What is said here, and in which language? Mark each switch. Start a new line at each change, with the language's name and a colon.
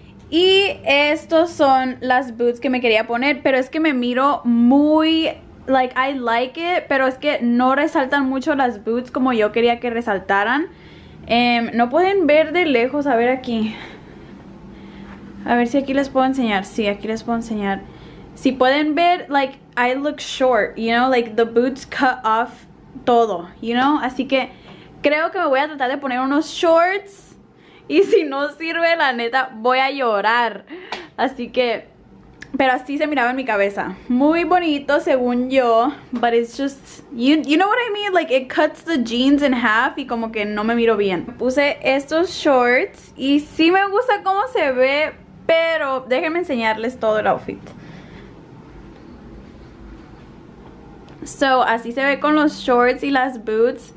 Spanish: Y estos son las boots que me quería poner, pero es que me miro muy,
English: like, I like it,
Spanish: pero es que no resaltan mucho las boots como yo quería que resaltaran. No pueden ver de lejos, a ver aquí. A ver si aquí les puedo enseñar, sí, aquí les puedo enseñar. Si pueden ver,
English: like, I look short, you know, like the boots cut off
Spanish: todo,
English: you know.
Spanish: Así que creo que me voy a tratar de poner unos shorts. Y si no sirve, la neta, voy a llorar. Así que, pero así se miraba en mi cabeza. Muy bonito, según yo.
English: But it's just, you know what I mean? Like, it cuts the jeans in half
Spanish: y como que no me miro bien. Puse estos shorts y sí me gusta cómo se ve, pero déjenme enseñarles todo el outfit. So, así se ve con los shorts y las boots.